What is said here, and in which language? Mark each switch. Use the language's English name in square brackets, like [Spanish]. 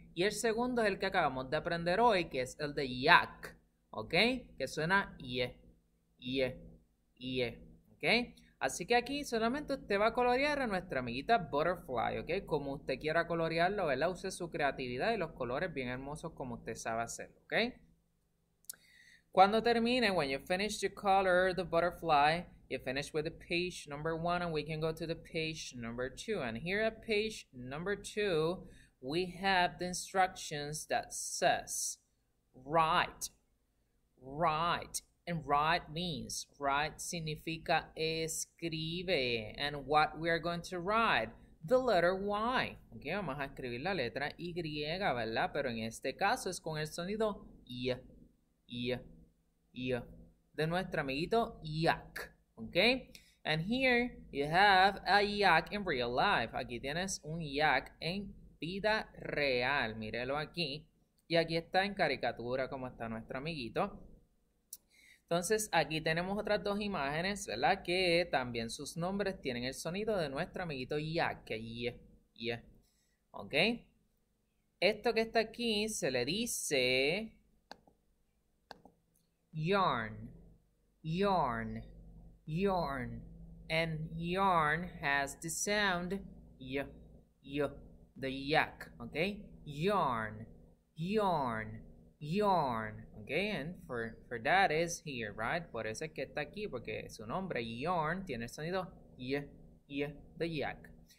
[Spanish] Y el segundo es el que acabamos de aprender hoy, que es el de Yak. ¿Ok? Que suena ye, ye, ye. ¿Ok? Así que aquí solamente usted va a colorear a nuestra amiguita Butterfly. ¿Ok? Como usted quiera colorearlo, ¿verdad? Use su creatividad y los colores bien hermosos como usted sabe hacerlo. ¿Ok? Cuando termine, [English] when you finish to color the butterfly, you finish with the page number one, and we can go to the page number two. And here at page number two, we have the instructions that says write. Write. And write means, write [Spanish] significa escribe. [English] And what we are going to write? The letter Y. [Spanish] Okay, vamos a escribir la letra Y, ¿verdad? Pero en este caso es con el sonido I. I. I. De nuestro amiguito Yak. [English] Okay, and here you have a yak in real life. [Spanish] Aquí tienes un yak en vida real. Mírelo aquí. Y aquí está en caricatura como está nuestro amiguito. Entonces, aquí tenemos otras dos imágenes, ¿verdad? Que también sus nombres tienen el sonido de nuestro amiguito yak. Que yeah. Ok. Esto que está aquí se le dice yarn. [English] Yarn. Yarn, and yarn has the sound y, y, the yak, okay? Yarn, yarn, yarn, okay? And for that is here, right? [Spanish] Por eso es que está aquí, porque su nombre, yarn, tiene el sonido y, y, the yak.